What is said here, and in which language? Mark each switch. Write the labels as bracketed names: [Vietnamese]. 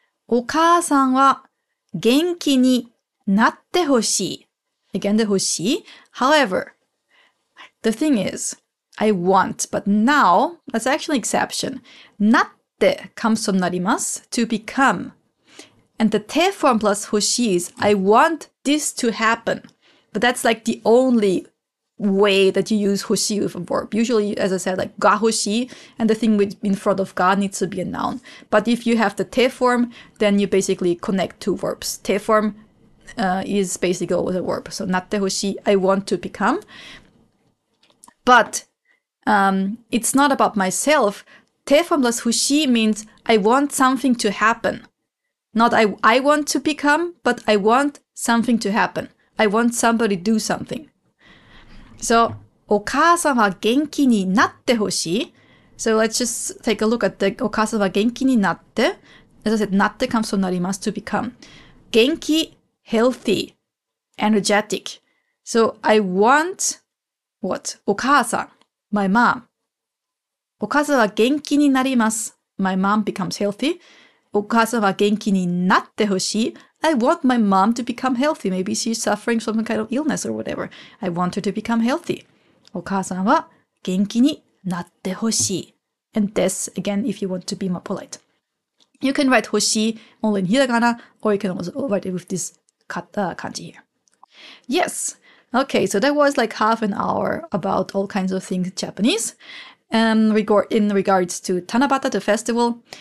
[Japanese] お母さんは元気になってほしい。 [English] Again, the 欲しい。 However, the thing is, I want, but now, that's actually an exception. なって comes from なります to become. And the 定 form plus 欲しい is, I want this to happen. But that's like the only way that you use 欲しい with a verb. Usually, as I said, like が欲しい, and the thing with, in front of が needs to be a noun. But if you have the 定 form, then you basically connect two verbs. 定 formis basically always a verb. So, なってほしい, I want to become. But, it's not about myself. て form plus ほしい means I want something to happen. Not I want to become, but I want something to happen. I want somebody to do something. [Japanese] So, お母さんは元気になってほしい. [English] So, let's just take a look at the [Japanese] お母さんは元気になって. [English] As I said, なって comes from なります, to become. 元気healthy, energetic. So I want what? お母さん, my mom. [Japanese] お母さんは元気になります. [English] My mom becomes healthy. [Japanese] お母さんは元気になってほしい. [English] I want my mom to become healthy. Maybe she's suffering some kind of illness or whatever. I want her to become healthy. [Japanese] お母さんは元気になってほしい. [English] And this, again, if you want to be more polite. You can write ほしい only in hiragana, or you can also write it with this. Kanji here. Yes. Okay. So that was like half an hour about all kinds of things in Japanese, in regards to Tanabata, the festival.